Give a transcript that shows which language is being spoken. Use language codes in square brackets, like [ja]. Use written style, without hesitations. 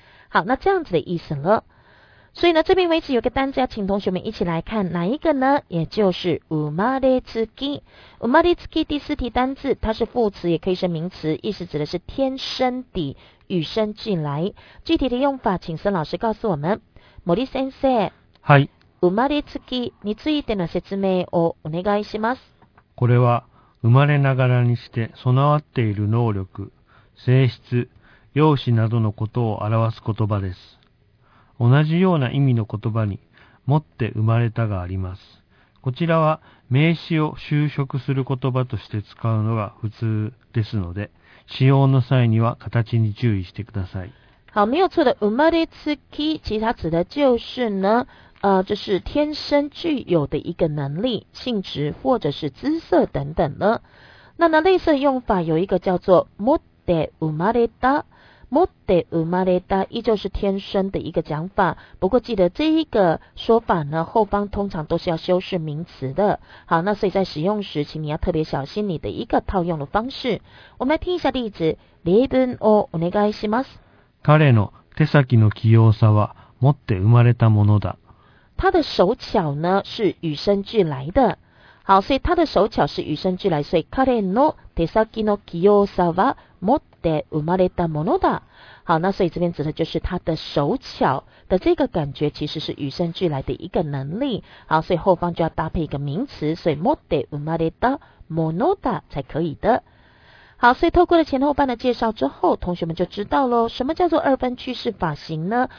[zh] 好，那这样子的意思了。所以呢，这边为止有个单字要请同学们一起来看哪一个呢？也就是生まれつき。生まれつき第四题单字，它是副词，也可以是名词，意思指的是天生的、与生俱来。具体的用法，请孙老师告诉我们。 [ja] 森先生，はい。生まれつきについての説明をお願いします。これは生まれながらにして備わっている能力、性質、容姿などのことを表す言葉です。同じような意味の言葉に、持って生まれたがあります。こちらは名詞を修飾する言葉として使うのが普通ですので、使用の際には形に注意してください。 [zh] 好、没有错的、生まれつき、其他指的就是呢、就是天生具有的一个能力、性质或者是姿色等等呢。那呢、类似用法有一个叫做、持って生まれた。持って生まれた依旧是天生的一个讲法，不过记得这一个说法呢，后方通常都是要修饰名词的。好，那所以在使用时，请你要特别小心你的一个套用的方式。我们来听一下例子。 [ja] 例文をお願いします。彼の手先の器用さは持って生まれたものだ。 [zh] 他的手巧呢是与生俱来的。好，所以他的手巧是与生俱来，所以 [ja] 彼の手先の器用さは持って生まれたものだ。 [zh] 好，那所以这边指的就是他的手巧的这个感觉，其实是与生俱来的一个能力。好，所以后方就要搭配一个名词，所以 [ja] 持って生まれたものだ [zh] 才可以的。好，所以透过了前后半的介绍之后，同学们就知道咯，什么叫做二分趋势发型呢？